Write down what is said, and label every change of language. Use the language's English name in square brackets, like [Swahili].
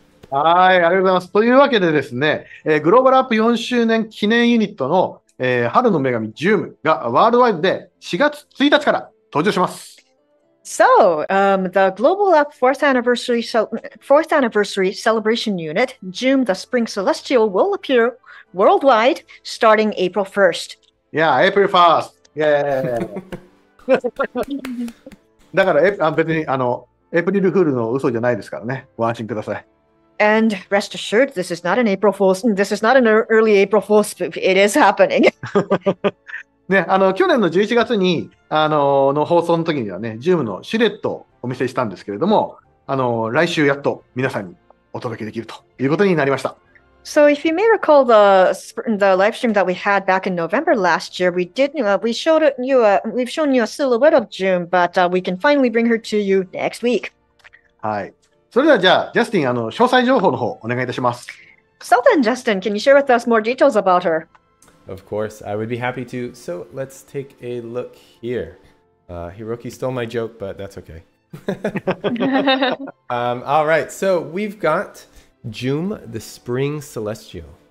[Japanese] はい、ありがとうございます。というわけでですね、グローバルアップ4周年記念ユニットの春の女神ジュームがワールドワイドで4月1日から登場します。 [English] So, the Global App 4th Anniversary Celebration Unit, Joom the Spring Celestial, will appear worldwide starting April 1st. Yeah, April 1st. Yeah. [Japanese] だから別にエイプリルフールの嘘じゃないですからね。ご安心ください。 [English] And rest assured, this is not an April Fool's. This is not an early April Fool's spoof. It is happening. [Japanese] ね、去年の11月にの放送の時にはね、ジュームのシルエットをお見せしたんですけれども、来週やっと皆さんにお届けできるということになりました。 [English] So if you may recall the live stream that we had back in November last year, we've shown you a silhouette of June, but we can finally bring her to you next week. [Japanese] はい。それではじゃあ、ジャスティン、詳細情報の方お願いいたします。 [English] So then, Justin, can you share with us more details about her? Of course, I would be happy to. So let's take a look here. Hiroki stole my joke, but that's okay. all right, so we've got Joom, the Spring Celestial.